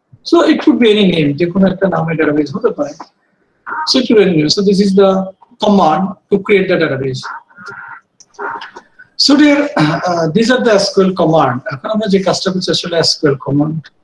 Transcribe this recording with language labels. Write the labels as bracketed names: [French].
[English] so it could be any name, [Bangla] যে কোনো একটা নামে ডেটাবেস হতে পারে. [English] So it could be any name. So this is the command to create the database. So there, these are the SQL command. [Bangla] আমরা যে কাজটা করছি আসলে SQL command.